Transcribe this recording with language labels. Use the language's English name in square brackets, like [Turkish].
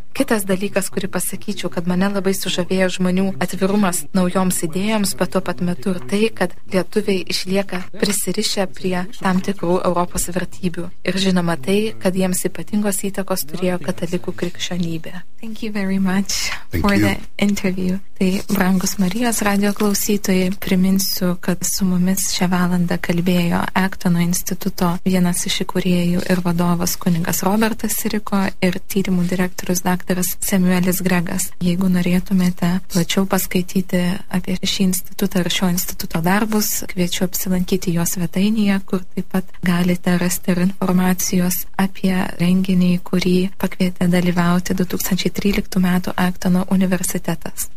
[Lithuanian] Kitas dalykas, kurį pasakyčiau, kad mane labai sužavėjo žmonių atvirumas naujoms idėjoms, bet tuo pat metu ir tai, kad lietuviai išlieka prisirišę prie tam tikrų Europos vertybių. Ir žinoma tai, kad jiems ypatingos įtakos turėjo katalikų krikščionybė. [English] Thank you very much for the interview. [Lithuanian] Tai brangus Marijos radio klausytojai, priminsiu, kad su mumis šią valandą kalbėjo Actono instituto vienas iš įkūrėjų ir vadovas kuningas Robertas Siriko ir tyrimų direktorius daktaras Samuelis Gregas. Jeigu norėtumėte plačiau paskaityti apie šį institutą ir šio instituto darbus, kviečiu apsilankyti jo svetainėje, kur taip pat galite rasti ir informacijos apie renginį, kurį pakvietė dalyvauti 2013 metų Actono universitetas.